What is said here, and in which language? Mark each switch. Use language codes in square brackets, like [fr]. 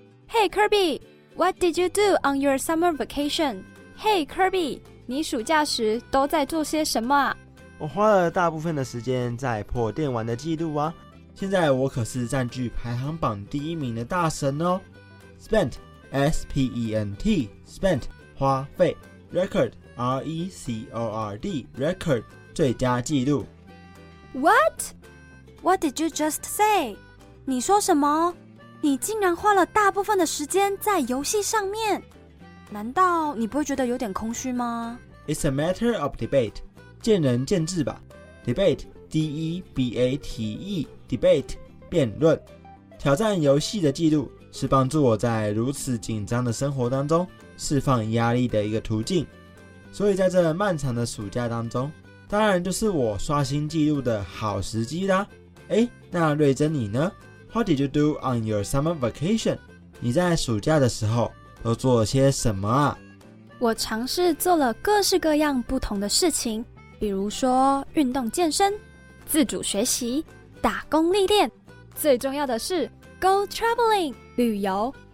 [en] Hey Kirby, what did you do on your summer vacation? [zh] Hey Kirby, 你暑假时都在做些什么啊？我花了大部分的时间在破电玩的记录啊，现在我可是占据排行榜第一名的大神哦。 [en] Spent, S-P-E-N-T, Spent, [zh] 花费。 [en] Record, R-E-C-O-R-D, Record, [zh] 最佳记录。 [en] What? What did you just say? [zh] 你说什么？你竟然花了大部分的时间在游戏上面，难道你不会觉得有点空虚吗？ [en] It's a matter of debate. [zh] 见仁见智吧。 [en] Debate, D-E-B-A-T-E, debate, [zh] 辩论。挑战游戏的记录是帮助我在如此紧张的生活当中释放压力的一个途径。所以在这漫长的暑假当中，当然就是我刷新记录的好时机啦。哎，那瑞珍你呢？ [en] What did you do on your summer vacation? [zh] 你在暑假的时候都做了些什么啊？我尝试做了各式各样不同的事情，比如说运动健身、自主学习、打工历练，最重要的是 go traveling 旅游。